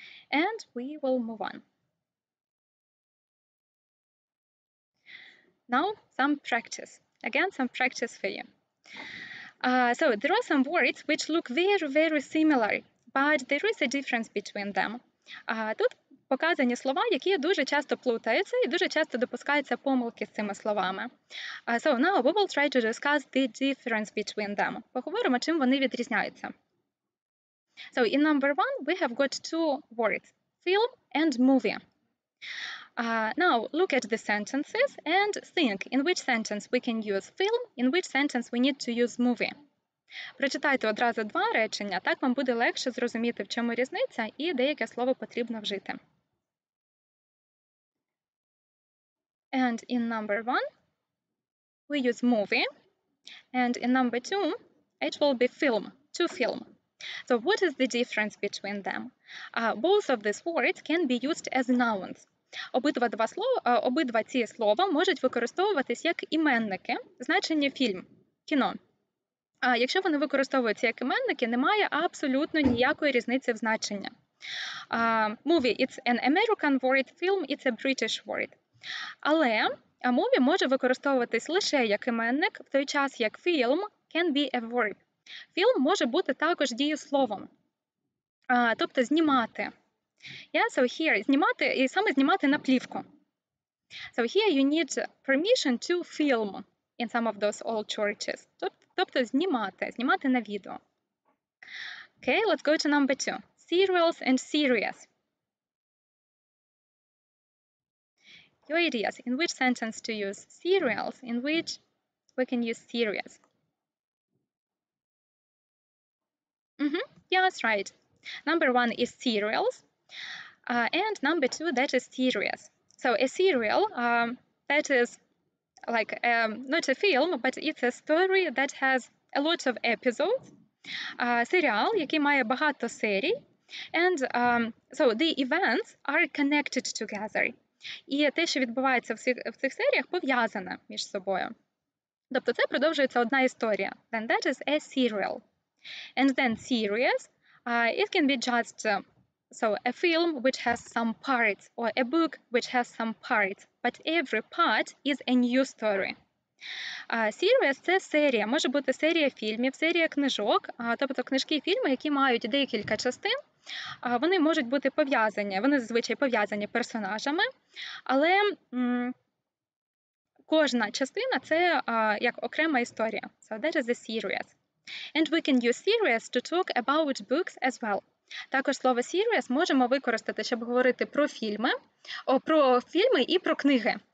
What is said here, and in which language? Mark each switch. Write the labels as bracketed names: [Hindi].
[English] And we will move on. Now, some practice. Again, some practice for you. So, there are some words which look very, very similar, but there is a difference between them. [Ukrainian] Тут показані слова, які дуже часто плутаються і дуже часто допускаються помилки з цими словами. [English] So now we will try to discuss the difference between them. [Ukrainian] Поговоримо, чим вони відрізняються. [English] So in number one, we have got two words, film and movie. Now look at the sentences and think in which sentence we can use film, in which sentence we need to use movie. [Ukrainian] Прочитайте одразу два речення, так вам буде легше зрозуміти, в чому різниця і деяке слово потрібно вжити. [English] And in number one, we use movie. And in number two, it will be film, to film. So what is the difference between them? Both of these words can be used as nouns. [Ukrainian] Обидва ці слова можуть використовуватись як іменники, значення фільм, кіно. Якщо вони використовуються як іменники, немає абсолютно ніякої різниці в значенні. [English] Movie – it's an American word, film – it's a British word. [Ukrainian] Але мові може використовуватись лише як іменник, в той час як [English] film can be a verb. [Ukrainian] Film може бути також дієсловом, тобто знімати. [English] Yeah, so here, [Ukrainian] знімати, і саме знімати на плівку. [English] So here you need permission to film in some of those old churches. [Ukrainian] Тобто знімати на відео. [English] Okay, let's go to number two. Serials and series. Your ideas, in which sentence to use serials, in which we can use series. Mm-hmm. Yeah, that's right. Number one is serials. And number two, that is series. So a serial, that is like not a film, but it's a story that has a lot of episodes. Serial, [Ukrainian] який має багато серій. [English] And so the events are connected together. [Ukrainian] І те, що відбувається в цих серіях, пов'язане між собою. Тобто це продовжується одна історія. [English] Then that is a serial. And then series, it can be just so a film which has some parts or a book which has some parts, but every part is a new story. [Ukrainian] Series – це серія, може бути серія фільмів, серія книжок, тобто книжки і фільми, які мають декілька частин, вони можуть бути пов'язані, вони зазвичай пов'язані персонажами, але кожна частина – це як окрема історія. [English] So that is a series. And we can use series to talk about books as well. [Ukrainian] Також слово series можемо використати, щоб говорити про фільми, про фільми і про книги.